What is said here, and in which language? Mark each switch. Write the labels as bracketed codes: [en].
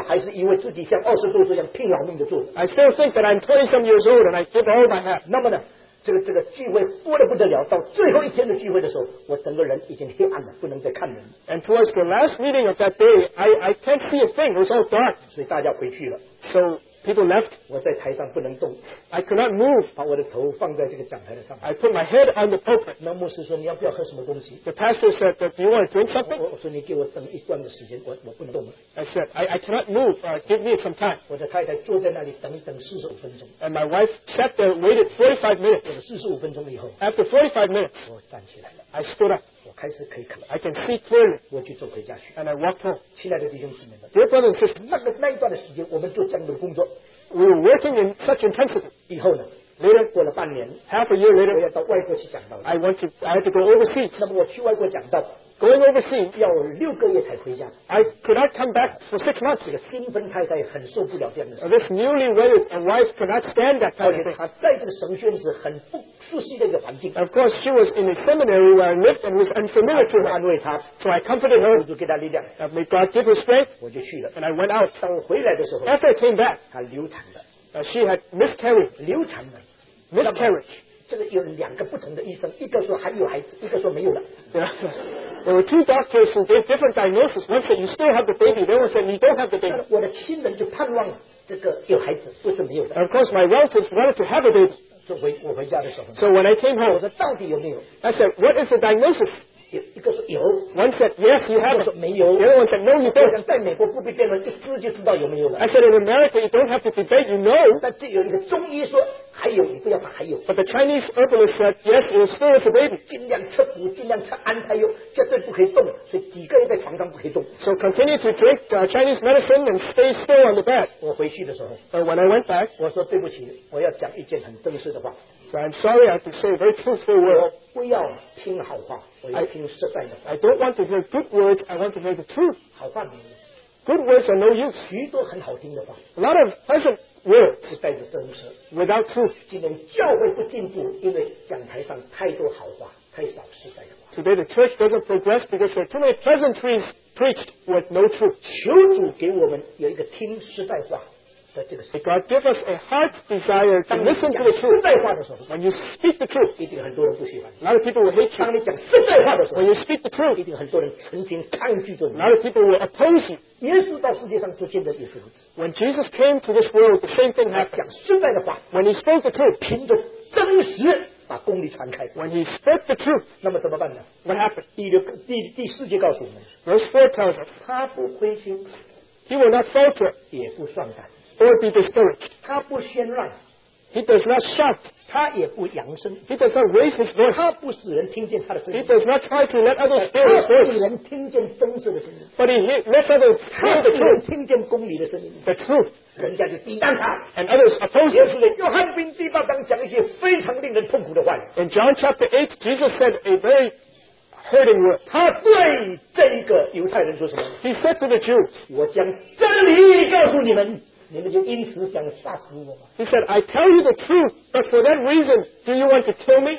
[zh] 我还是以为自己像20多岁一样拼老命的做, [en] I still think that I'm 20 some years old and I give all my heart. [zh] 那么呢, 这个聚会多得不得了, 到最后一天的聚会的时候, 我整个人已经黑暗了, 不能再看人。 [en] And towards the last meeting of that day, I can't see a thing, it was all dark. [zh] 所以大家回去了。 [en] So people left. [zh] 我在台上不能动。 [en] I could not move. [zh] 把我的头放在这个讲台的上。 [en] I put my head on the pulpit. [zh] 那牧师说你要不要喝什么东西? [en] The pastor said, do you want to drink something? [zh] 我说你给我等一段的时间, 我不能动了。 [en] I said, I cannot move. Give me some time. [zh] 我的太太坐在那里等一等45分钟。 [en] And my wife sat there, waited 45 minutes. [zh] 等了45分钟以后, [en] after 45 minutes, [zh] 我站起来了。 [en] I stood up. [zh] 我开始可以看了, [en] I can see clearly. [zh] 我就走回家去, [en] and I walked home. [zh] 亲爱的弟兄姊妹们, [en] dear brothers and sisters, [zh] 那一段的时间, 我们做这样的工作, [en] we were working in such intensity. [zh] 以后呢, [en] later, [zh] 过了半年, [en] half a year later, [zh] 我要到外国去讲道, [en] I had to go overseas. [zh] 那么我去外国讲道, [en] going overseas, [zh] 要6个月才回家, [en] I could not come back for 6 months. [zh] 这个新婚太太很受不了这样的事, [en] this newly wedded wife could not stand that kind of thing. [zh] 而且她在这个神学院是很不 [en] Of course, she was in a seminary where I lived and was unfamiliar to her. So I comforted her. May God give her strength. And I went out. After I came back, she had miscarriage. There were two doctors who gave different diagnoses. One said, you still have the baby. The other said, you don't have the baby. [zh] 我的亲人就盼望这个有孩子，不是没有的。 [en] Of course, my relatives wanted to have a baby. [zh] 我回家的时候, [en] so when I came home, [zh] 我说到底有没有? [en] I said, what is the diagnosis? [zh] 一个说有, [en] one said, yes, you have it. The other one said, no, you don't. [zh] 在美国不必辩论, [en] I said, in America, you don't have to debate, you know. [zh] 但这有一个中医说, 还有, 你不要怕还有, [en] but the Chinese herbalist said, yes, it still is a baby. [zh] 尽量吃补, 尽量吃安胎药, 绝对不可以动, 所以几个人在床上不可以动。 [en] So continue to drink Chinese medicine and stay still on the bed. [zh] 我回去的时候, [en] but when I went back, [zh] 我说对不起, 我要讲一件很正式的话。 [en] So I'm sorry I have to say a very truthful word. [zh] 我不要听好话, [en] I don't want to hear good words, I want to hear the truth. [zh] 好话没有, [en] good words are no use. [zh] 许多很好听的话, [en] a lot of pleasant words without truth. [zh] 今天教会不进步, 因为讲台上太多好话, 太少实在的话。 [en] Today the church doesn't progress because there are too many pleasantries preached with no truth. [zh] 求主给我们有一个听实在话。 [en] May God give us a heart desire to listen to the truth. When you speak the truth, a lot of people will hate you. When you speak the truth, a lot of people will oppose you. [zh] 耶稣到世界上出现的也是如此, [en] when Jesus came to this world, the same thing happened. When he spoke the truth, [zh] 凭着真实, 把公理传开, [en] when he spoke the truth, [zh] 那么怎么办呢? [en] What happened? [zh] 第四节告诉我们, [en] verse 4 tells us, [zh] 他不灰心, [en] he will not falter, [zh] 也不算胆, [en] or be discouraged. [zh] 他不喧乱, [en] he does not shout. [zh] 他也不扬声, [en] he does not raise his voice. [zh] 他不使人听见他的声音, [en] he does not try to let others hear his voice. [zh] 他不使人听见真实的声音, [en] but he lets others hear the truth. [zh] 他不使人听见公理的声音, [en] the truth. [zh] 人家就抵挡他, [en] and others oppose him. [zh] 耶稣在约翰福音第八章讲一些非常令人痛苦的话, [en] in John chapter 8, Jesus said a very hurting word. [zh] 他对这一个犹太人说什么? [en] He said to the Jews, [zh] 我将真理告诉你们, [en] he said, I tell you the truth, but for that reason, do you want to kill me?